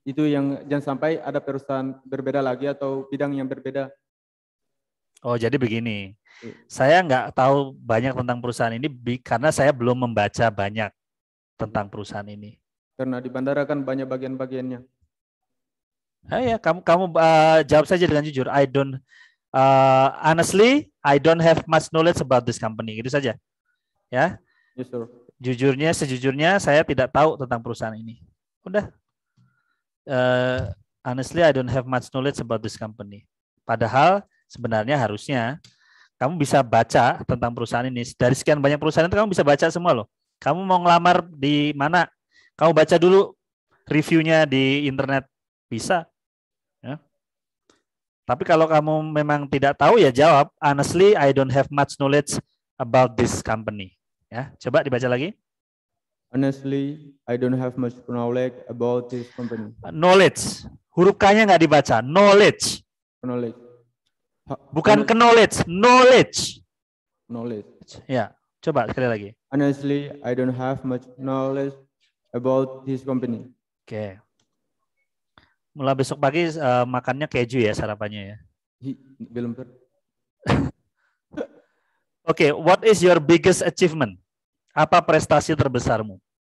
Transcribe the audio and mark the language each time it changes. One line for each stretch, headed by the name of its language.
Indonesian: Itu yang jangan sampai ada perusahaan berbeda lagi atau bidang yang berbeda. Oh, jadi begini. Saya nggak tahu banyak tentang perusahaan ini karena saya belum membaca banyak tentang perusahaan ini. Karena di bandara kan banyak bagian-bagiannya. Nah, ya, kamu jawab saja dengan jujur.
English: I don't honestly, I don't have much knowledge about this company.
Indonesian: Gitu saja. Ya.
English: Yes, sir.
Indonesian: Jujurnya, sejujurnya saya tidak tahu tentang perusahaan ini. Udah.
English: Honestly, I don't have much knowledge about this company.
Indonesian: Padahal sebenarnya harusnya kamu bisa baca tentang perusahaan ini. Dari sekian banyak perusahaan itu kamu bisa baca semua loh. Kamu mau ngelamar di mana? Kamu baca dulu reviewnya di internet. Bisa. Ya. Tapi kalau kamu memang tidak tahu ya jawab.
English: Honestly, I don't have much knowledge about this company.
Indonesian: Ya, coba dibaca lagi.
English: Honestly, I don't have much knowledge about this company. Knowledge.
Indonesian: Huruf K-nya nggak dibaca.
English: Knowledge. Knowledge.
Indonesian: Bukan knowledge, knowledge.
English: Knowledge.
Indonesian: Ya, coba sekali lagi.
English: Honestly, I don't have much knowledge about this company.
Indonesian: Oke. Mulai besok pagi makannya keju ya sarapannya ya. Belum.
English: Oke, what is your biggest achievement?
Indonesian: Apa prestasi terbesarmu?